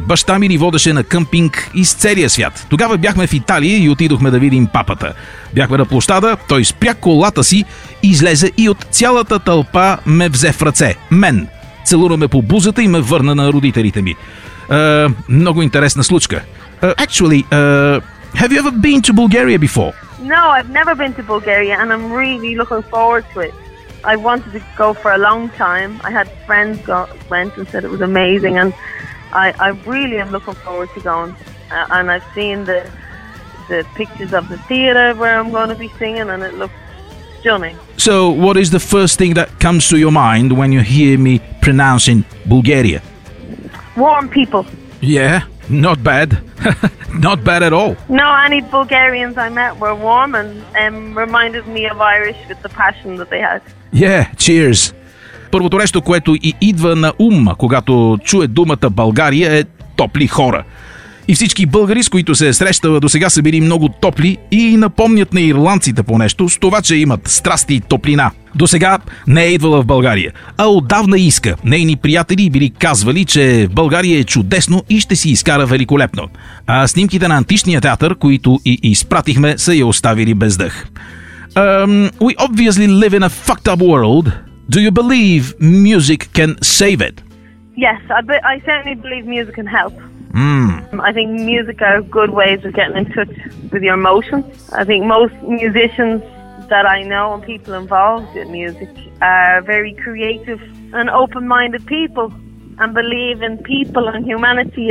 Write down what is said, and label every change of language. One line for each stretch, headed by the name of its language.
Bulgarian: Баща ми ни водеше на къмпинг из целия свят. Тогава бяхме в Италия и отидохме да видим папата. Бяхме на площада, той спря колата си, излезе и от цялата тълпа ме взе в ръце. Мен. Целуна ме по бузата и ме върна на родителите ми. Много интересна случка.
English: Have you ever been to Bulgaria before? No, I've never been to Bulgaria, and I'm really looking forward to it. I wanted to go for a long time. I had friends go went and said it was amazing, and I really am looking forward to going. And I've seen the pictures of the theater where I'm going to be singing, and it looks stunning. So, what is the first thing that comes to your mind when you hear me pronouncing Bulgaria? Warm people. Yeah. Not bad. Not bad at all. No, any Bulgarians I met were warm and reminded me of Irish with the passion that they had. Yeah, cheers.
Bulgarian: Първото нещо, което и идва на ум, когато чуе думата България, е топли хора. И всички българи, с които се срещава до сега, са били много топли и напомнят на ирландците по нещо с това, че имат страсти и топлина. До сега не е идвала в България, а отдавна иска. Нейни приятели били казвали, че България е чудесно и ще си изкара великолепно. А снимките на античния театър, които и изпратихме, са я оставили без дъх.
English: We obviously live in a fucked up world. Do you believe music can save it? Yes, I certainly believe music can help. Mm. I think music are good ways of getting in touch with your emotions. I think most musicians that I know and people involved in music are very creative and open-minded people and believe in people and humanity.